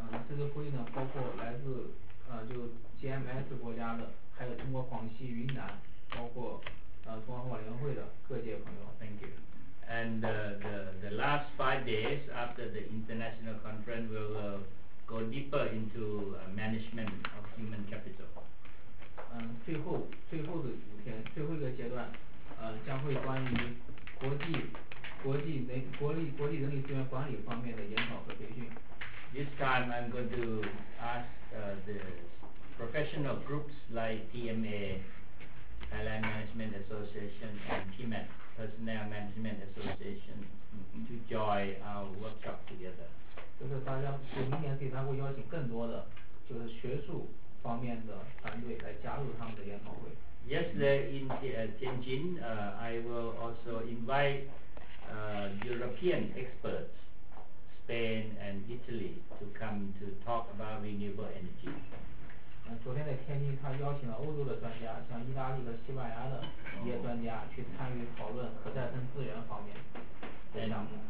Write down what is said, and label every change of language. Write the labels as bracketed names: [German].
[Chinese] 这个会议呢，包括来自就 GMS 国家的。还有中国广西云南，包括中央环保联合会的各界朋友。 [English] Thank you. And the last 5 days after the international conference, we will go deeper into management of human capital. [Chinese] 最后的五天，最后一个阶段，将会关于国际人力资源管理方面的研讨和培训。 [English] This time I'm going to ask the. Professional groups like TMA, Thailand Management Association, and PMAT, Personnel Management Association, to join our workshop together. [Chinese] 就是大家就明年第三会邀请更多的就是学术方面的团队来加入他们的研讨会。 [English] Yesterday in Tianjin, I will also invite European experts, Spain and Italy, to come to talk about renewable energy. [Chinese] 昨天在天津，他邀请了欧洲的专家，像意大利和西班牙的一些专家去参与讨论可再生资源方面的项目。